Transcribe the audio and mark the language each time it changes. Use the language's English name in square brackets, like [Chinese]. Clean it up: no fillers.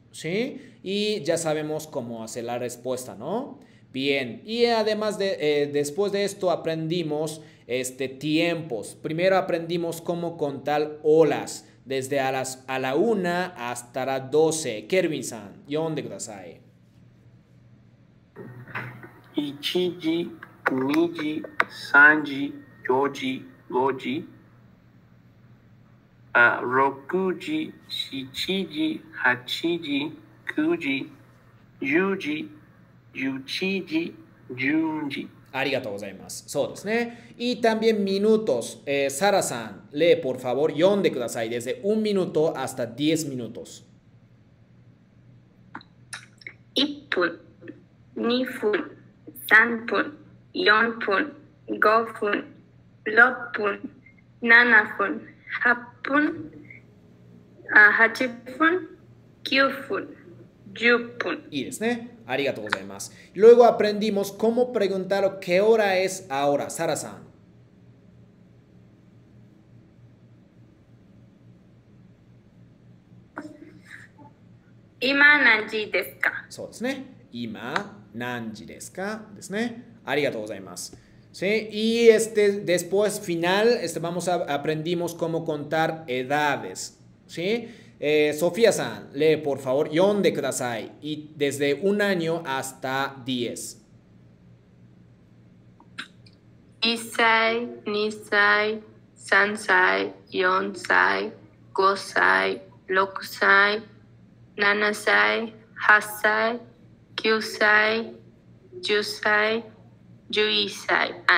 [Spanish] Sí, y ya sabemos cómo hacer la respuesta, ¿no? Bien, y además después de esto aprendimos tiempos. Primero aprendimos cómo contar olas desde a la una hasta la 12. [Japanese] Kervin-san, yonde kudasai. 1時、2時、3時、4時、5時、6時、7時、8時、9時、10時、11時、12時。ありがとうございます。そうですね。 [Spanish] Y también minutos. Sara さん、lee por favor, [Japanese] 読んでください。 [Spanish] Desde 1 minuto hasta 10 minutos. [Japanese] 1分、2分、3分、4分、5分、6分、7分、8分、9分、10分。いいですね。ありがとうございます。 [Spanish] Luego aprendimos cómo preguntar qué hora es ahora. [Japanese] Sara さん。今何時ですか？そうですね。今何時ですか？ですね。ありがとうございます。 [Spanish] Sí, y después final, aprendimos cómo contar edades. Sí. Sofía-san, lee por favor, [Japanese] yonde kudasai, [Spanish] y desde 1 año hasta 10. [Japanese] 1歳、2歳、3歳、4歳、5歳、6歳、7歳、8歳、9歳、10歳、11歳。